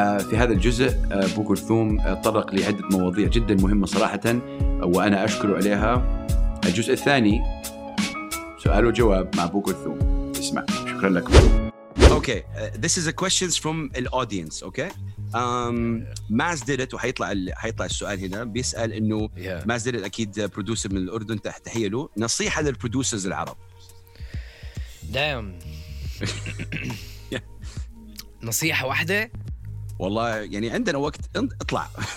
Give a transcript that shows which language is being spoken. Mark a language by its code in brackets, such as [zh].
[ar] في هذا الجزء بكلثوم طرق لعدة مواضيع جدا مهمة صراحة، وأنا أشكره عليها. الجزء الثاني سؤال وجواب مع بكلثوم، اسمع. شكرا لكم. [en] Okay, this is a questions from the audience. Okay, Maz did it. [ar] وحيطلع السؤال هنا بيسأل إنه Maz did it. أكيد producer من الأردن، تحية له. نصيحة للproducers العرب. Damn. نصيحة واحدة. والله يعني عندنا وقت، اطلع.